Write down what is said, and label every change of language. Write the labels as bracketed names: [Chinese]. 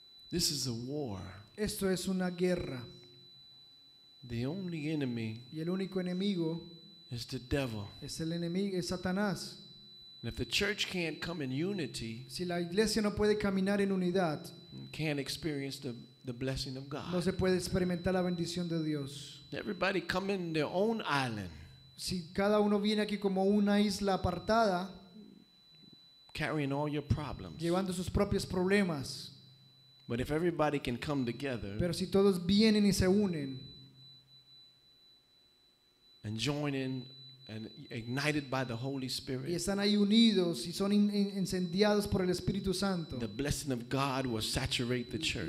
[English] This is a war. [Spanish] Esto es una guerra. [English] The only enemy. [Spanish] Y el único enemigo [English] is the devil. [Spanish] Es el enemigo, es Satanás. [English] And if the church can't come in unity, [Spanish] si la iglesia no puede caminar en unidad, [English] can't experience the blessing of God. [Spanish] No se puede experimentar la bendición de Dios. [English] Everybody come in their own island. [Spanish] Si cada uno viene aquí como una isla apartada, [English] carrying all your problems. [Spanish] Llevando sus propios problemas. [English] But if everybody can come together, [Spanish] pero si todos vienen y se unen, [English] and join in and ignited by the Holy Spirit, [Spanish] y están ahí unidos y son incendiados por el Espíritu Santo, [English] the blessing of God will saturate the church.